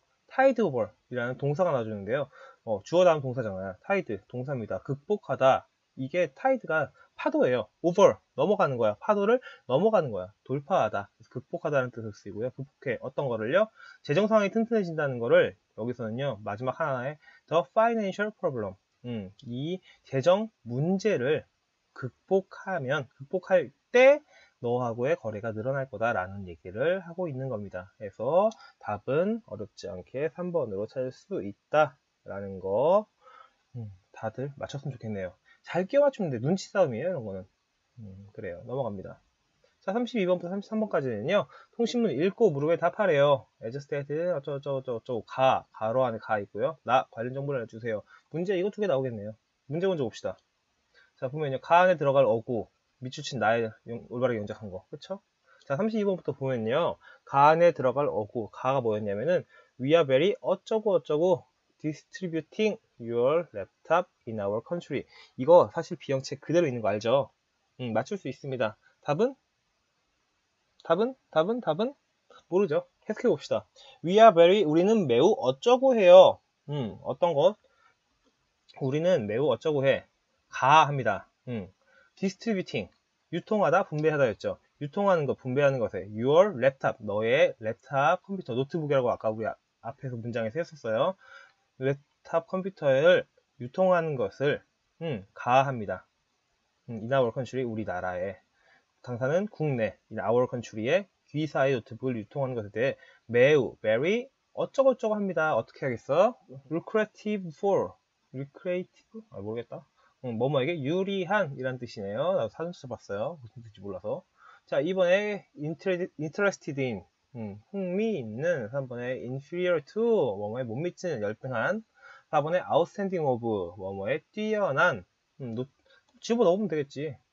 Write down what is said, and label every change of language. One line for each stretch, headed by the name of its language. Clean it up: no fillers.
Korean: tide over 이라는 동사가 나와주는데요. 주어 다음 동사잖아요. tide, 동사입니다. 극복하다. 이게 tide가 파도예요. over, 넘어가는 거야. 파도를 넘어가는 거야. 돌파하다. 극복하다는 뜻을 쓰이고요. 극복해. 어떤 거를요? 재정상황이 튼튼해진다는 거를 여기서는요. 마지막 하나에
English: the financial problem.
Korean: 이 재정 문제를 극복하면, 극복할 때, 너하고의 거래가 늘어날 거다라는 얘기를 하고 있는 겁니다. 해서 답은 어렵지 않게 3번으로 찾을 수 있다라는 거. 다들 맞췄으면 좋겠네요. 잘 끼워 맞추면 돼. 눈치 싸움이에요, 이런 거는. 그래요. 넘어갑니다. 자, 32번부터 33번까지는요. 통신문 읽고 물음에 답하래요.
English: As stated,
Korean: 어쩌고저쩌고저쩌고 가. 가로 안에 가 있고요. 나 관련 정보를 알려주세요. 문제 이거 두개 나오겠네요. 문제 먼저 봅시다. 자, 보면요. 가 안에 들어갈 어구. 밑줄친 나의 올바르게 연작한 거, 그쵸? 자, 32번부터 보면요.
English: 가 안에 들어갈 어구, 가가 뭐였냐면은 We are very
Korean: 어쩌고 어쩌고
English: distributing your laptop in our country.
Korean: 이거 사실 비형체 그대로 있는 거 알죠? 맞출 수 있습니다. 답은? 답은? 답은? 답은? 모르죠. 해석해 봅시다.
English: We are very,
Korean: 우리는 매우 어쩌고 해요. 어떤 것? 우리는 매우 어쩌고 해. 가 합니다. distributing, 유통하다, 분배하다였죠. 유통하는 것, 분배하는 것에
English: your laptop,
Korean: 너의 랩탑 컴퓨터, 노트북이라고 아까 우리 앞에서 문장에서 했었어요. 랩탑 컴퓨터를 유통하는 것을 가합니다.
English: in our country,
Korean: 우리나라에. 당사는 국내,
English: in our country
Korean: 에 귀사의 노트북을 유통하는 것에 대해 매우, very, 어쩌고저쩌고 합니다. 어떻게 하겠어?
English: lucrative for, lucrative?
Korean: 아, 모르겠다. 뭐뭐에게 유리한 이란 뜻이네요. 나도 사전 찾아봤어요. 무슨 뜻인지 몰라서. 자, 2번에
English: interested in,
Korean: 흥미있는. 3번에
English: inferior to,
Korean: 뭐뭐에 못 미치는, 열등한. 4번에
English: outstanding of,
Korean: 뭐뭐에 뛰어난. 집어넣으면 되겠지.